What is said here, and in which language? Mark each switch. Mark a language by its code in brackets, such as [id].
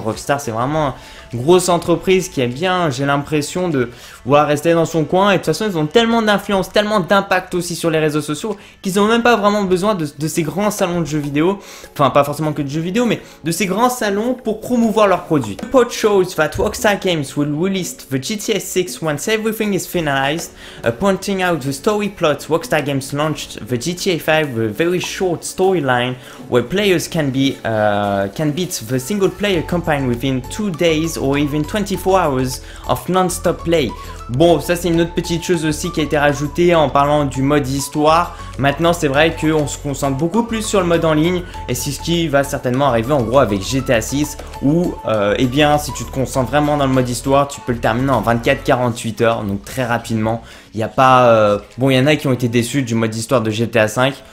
[fr] Rockstar c'est vraiment une grosse entreprise qui aime bien, j'ai l'impression, de vouloir rester dans son coin, et de toute façon ils ont tellement d'influence, tellement d'impact aussi sur les réseaux sociaux, qu'ils n'ont même pas vraiment besoin de ces grands salons de jeux vidéo, enfin pas forcément que de jeux vidéo, mais de ces grands salons pour promouvoir leurs produits. [en] The report shows that Rockstar Games will release the GTA 6 once everything is finalized, pointing out the story plot. Rockstar Games launched the GTA 5 with a very short storyline where players can beat the single player campaign within 2 days or even 24 hours of non-stop play. [fr] Bon, ça c'est une autre petite chose aussi qui a été rajoutée en parlant du mode histoire. Maintenant c'est vrai qu'on se concentre beaucoup plus sur le mode en ligne, et c'est ce qui va certainement arriver en gros avec GTA 6, où eh bien si tu te concentres vraiment dans le mode histoire, tu peux le terminer en 24-48 heures, donc très rapidement. Il n'y a pas... bon, il y en a qui ont été déçus du mode histoire de GTA 5.